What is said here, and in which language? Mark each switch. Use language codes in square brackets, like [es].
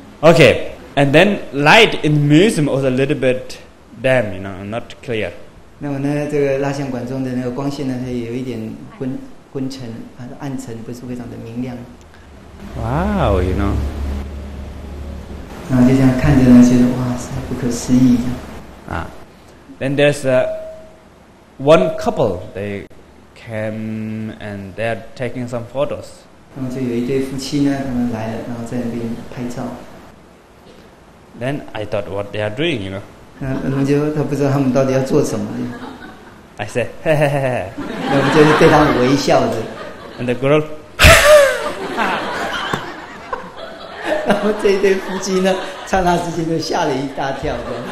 [en] Okay， and then light in the museum was a little bit dim， you know， not clear. [zh] 那么呢，这个蜡像馆中的那个光线呢，它有一点昏沉，暗沉，不是非常的明亮。 [en] Wow, you know. [zh] 然后就这样看着呢，觉得哇塞，不可思议。 [en] Then there's one couple. They came and they're taking some photos. [zh] 然后就有一对夫妻呢，他们来了，然后在那边拍照。 [en] Then I thought what they are doing, you know. [zh] 然后就他不知道他们到底要做什么。 [en] I said, [zh] 那不就是对他微笑着 [en] ？And the girl, [zh] 然后这一对夫妻呢，刹那之间就吓了一大跳的。